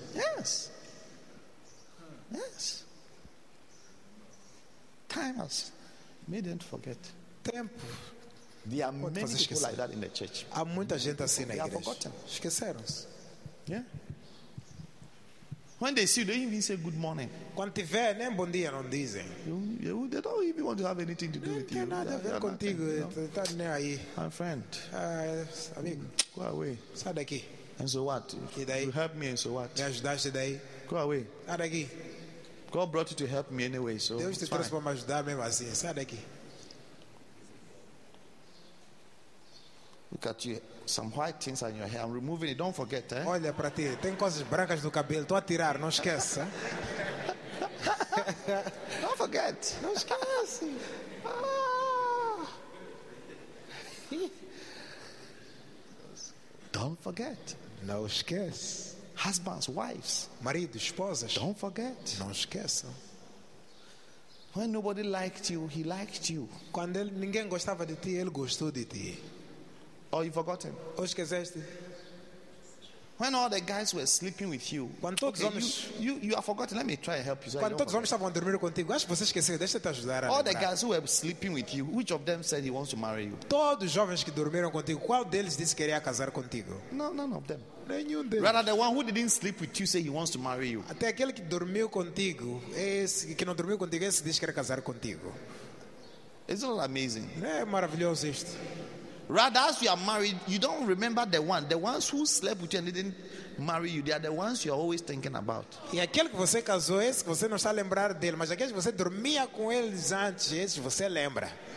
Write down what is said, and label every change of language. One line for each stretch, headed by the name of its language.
English: Yes. Yes. Time has made them forget.
Portuguese: Tempo.
English: There are many people
Portuguese: esquecer.
English: Like that in the church.
Portuguese: Há muita gente assim na igreja.
English: Forgotten.
Portuguese: Esqueceram-se.
English: Yeah. When they see you, they even say good morning.
Portuguese: Quando te vê, nem bom dia não dizem.
English: They don't even want to have anything to do with you.
Portuguese: Nada a ver contigo. Está nem aí.
English: My friend.
Portuguese: Amigo.
English: Go away.
Portuguese: Sai daqui.
English: And so what?
Portuguese: E daí?
English: You help me and so what?
Portuguese: Me ajudaste daí.
English: Go away.
Portuguese: Sai daqui.
English: God brought you to help me anyway, so
Portuguese: Deus te trouxe para me ajudar mesmo assim. Sai daqui.
English: Look at you. Some white things on your hair. I'm removing it. Don't forget, eh?
Portuguese: Olha para ti. Tem coisas brancas no cabelo. Estou a tirar. Não esquece.
English: Don't forget.
Portuguese: Não esquece.
English: Don't forget.
Portuguese: Não esquece.
English: Husbands, wives.
Portuguese: Maridos, esposas.
English: Don't forget.
Portuguese: Não esqueçam.
English: When nobody liked you, he liked you.
Portuguese: Quando ninguém gostava de ti, ele gostou de ti.
English: Oh, you forgotten?
Portuguese: Ou esqueceste?
English: When all the guys were sleeping with you, you have forgotten. Let me try and help you.
Portuguese: Quando todos os homens estavam dormindo contigo, acho que você esqueceu. Deixa-te ajudar.
English: All the guys who were sleeping with you, which of them said he wants to marry you?
Portuguese: Todos os jovens que dormiram contigo, qual deles disse que queria casar contigo?
English: No, none of them.
Portuguese: Nenhum deles.
English: Rather, the one who didn't sleep with you said he wants to marry you.
Portuguese: Até aquele que dormiu contigo, esse que não dormiu contigo, esse disse que quer casar contigo.
English: Isn't it amazing?
Portuguese: É maravilhoso isto.
English: Rather, as you are married, you don't remember the one. The ones who slept with you and didn't marry you, they are the ones you are always thinking about.
Portuguese: E aquele que você casou, esse que você não está a lembrar dele, mas aquele que você dormia com eles antes, esse você lembra.